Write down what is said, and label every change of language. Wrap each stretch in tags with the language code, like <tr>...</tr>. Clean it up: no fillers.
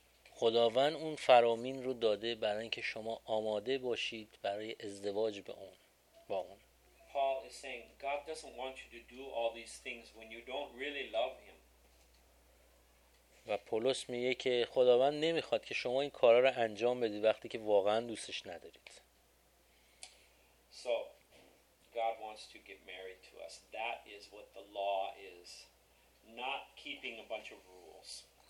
<fa>خداوند اون فرامین رو داده برای اینکه شما آماده باشید برای ازدواج به اون. با اون.</fa> <en>Paul is saying God doesn't want you to do all these things when you don't really love him.</en> <fa>و پولس میگه که خداوند نمیخواد که شما این کارا رو انجام بدید وقتی که واقعا دوستش ندارید.</fa> <en>So God wants to get married to us. That is what the law is. Not keeping a bunch of rules.</en>